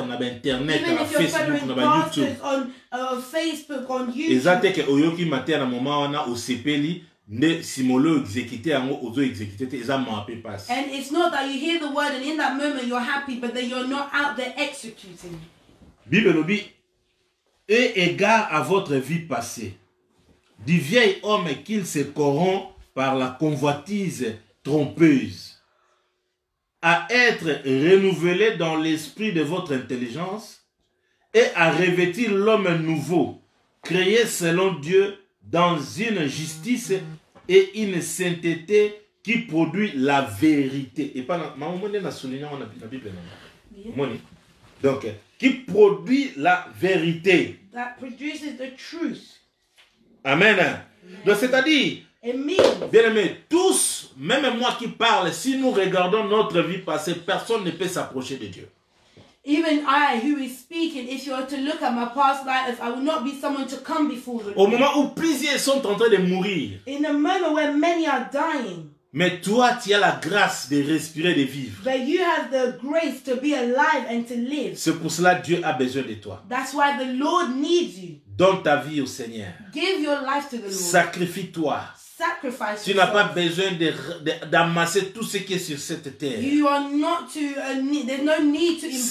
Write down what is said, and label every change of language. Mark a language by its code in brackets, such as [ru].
[en] on Facebook, on YouTube, even if you're following pastors and it's not that you hear the word and in that moment you're happy, but then you're not out there executing. [fr] Bible dit, et égard à votre vie passée, du vieil homme qu'il se corrompt par la convoitise trompeuse, à être renouvelé dans l'esprit de votre intelligence et à revêtir l'homme nouveau, créé selon Dieu dans une justice et une sainteté qui produit la vérité. Et pas ma monnaie la souligner on a la Bible. Monnaie. Donc qui produit la vérité. [en] That produces the truth. Amen. Amen. [fr] Donc c'est-à-dire bien-aimés, tous, même moi qui parle, si nous regardons notre vie passée, personne ne peut s'approcher de Dieu. [en] Even I, who is speaking, if you are to look at my past life, I will not be someone to come before the Lord. [fr] Au moment où plusieurs sont en train de mourir. [en] In the moment where many are dying. [fr] Mais toi, tu as la grâce de respirer, de vivre. [en] But you have the grace to be alive and to live. [fr] C'est pour cela que Dieu a besoin de toi. [en] That's why the Lord needs you. [fr] Donne ta vie au Seigneur. [en] Give your life to the Lord. [fr] Sacrifie-toi. [en] Sacrifice [fr] tu n'as pas besoin d'amasser tout ce qui est sur cette terre. [en] You are not to there's no need to embrace.